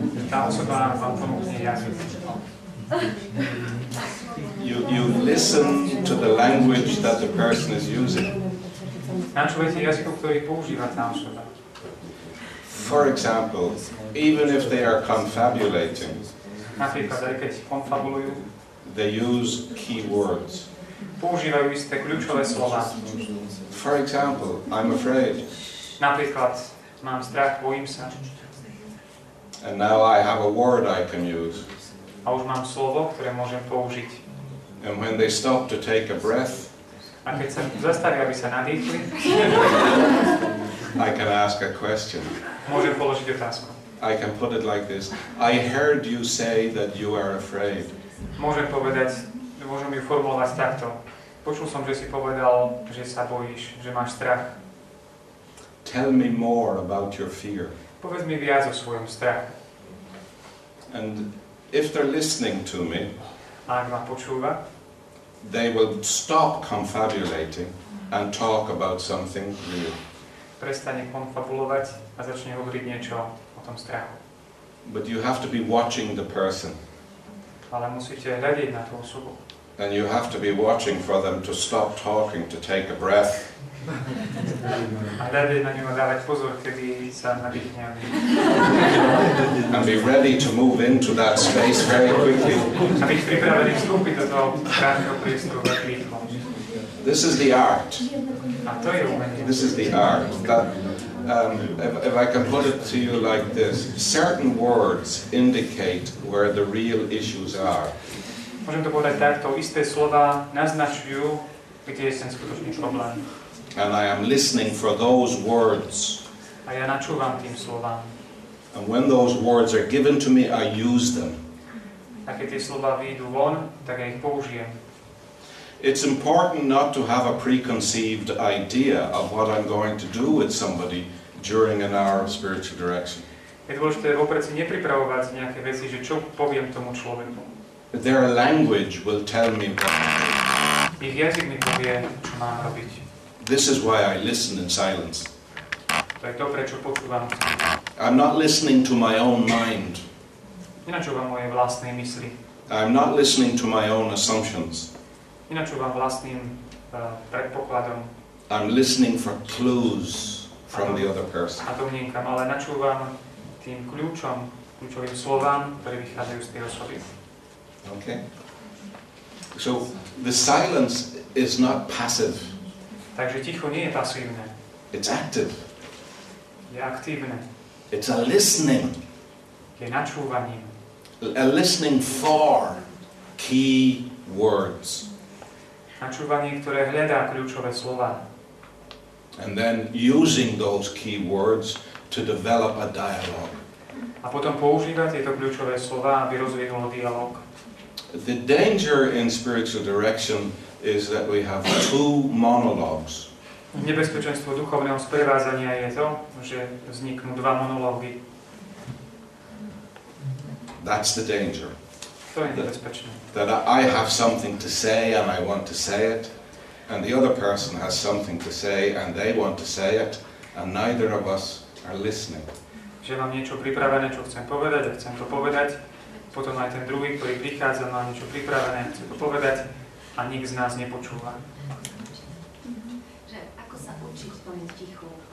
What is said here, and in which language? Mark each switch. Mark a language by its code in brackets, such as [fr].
[sk] Tá osoba vám pomôže jazyk. [en] listen to the language that the person is using. [sk] Načúvajte jazyku, ktorý používa tá osoba. [en] For example, even if they are confabulating, [sk] napríklad, aj keď konfabulujú, [en] they use key words. [sk] Používajú isté kľúčové slova. [en] For example, I'm afraid. [sk] Napríklad, mám strach, bojím sa. [en] And now I have a word I can use. [sk] A už mám slovo, ktoré môžem použiť. [en] And when they stop to take a breath, [sk] a keď sa zastavia, aby sa nadýchli, [en] I can ask a question. [sk] Môžem položiť otázku. [en] I can put it like this. I heard you say that you are afraid. [sk] Môžem povedať, môžem ju formulovať takto. Počul som, že si povedal, že sa bojíš, že máš strach. [en] Tell me more about your fear. [sk] Povedz mi viac o svojom strachu. [en] And if they're listening to me, [sk] a ak ma počúva, [en] they will stop confabulating and talk about something real. [sk] Prestane konfabulovať a začne hovoriť niečo o tom strachu. [en] But you have to be watching the person. [sk] Ale musíte hľadiť na tú osobu. [en] And you have to be watching for them to stop talking, to take a breath. [sk] A hľadiť na ňu a dávať pozor, kedy sa nadýchne. [en] And be ready to move into that space very quickly. [sk] A byť pripravený vstúpiť do toho krátkeho priestoru veľmi rýchlo. [en] This is the art. [sk] A to je umenie. [en] This is the art. If I can put it to you like this, certain words indicate where the real issues are. [sk] Môžem to povedať takto, isté slova naznačujú, kde je ten skutočný problém. [en] And I am listening for those words. [sk] A ja načúvam tým slovám. [en] And when those words are given to me, I use them. [sk] A keď tie slova vyjdú von, tak ja ich použijem. [en] It's important not to have a preconceived idea of what I'm going to do with somebody during an hour of spiritual direction. [sk] Je dôležité vopred si nepripravovať nejaké veci, že čo poviem tomu človeku. [en] Their language will tell me what to do. [sk] Ich jazyk mi povie, čo mám robiť. [en] This is why I listen in silence. [sk] To je to, prečo počúvam. [en] I'm not listening to my own mind. [sk] Nenačúvam moje vlastné mysli. [en] I'm not listening to my own assumptions. [sk] Nenačúvam vlastným predpokladom. [en] I'm listening for clues from the other person. [sk] A domnienkam, ale načúvam tým kľúčom, kľúčovým slovám, ktoré vychádzajú z tej osoby. [en] Okay. So the silence is not passive. [sk] Takže ticho nie je pasívne. [en] It's active. [sk] Je aktívne. [en] It's a listening. [sk] Je načúvaním. [en] A listening for key words. [sk] Načúvanie, ktoré hľadá kľúčové slova. [en] And then using those key words to develop a dialogue. [sk] A potom používať tieto kľúčové slova, aby rozvinulo dialog. [en] The danger in spiritual direction is that we have two monologues. [sk] Nebezpečenstvo duchovného sprevádzania je to, že vzniknú dva monológy. [en] That's the danger. [sk] To je nebezpečné. [en] That I have something to say and I want to say it, and the other person has something to say and they want to say it, and neither of us are listening. [sk] Že mám niečo pripravené, čo chcem povedať, a chcem to povedať, potom aj ten druhý, ktorý prichádza, má niečo pripravené, chce to povedať, a nik z nás nepočúva. Že ako sa učiť spomeniť ticho?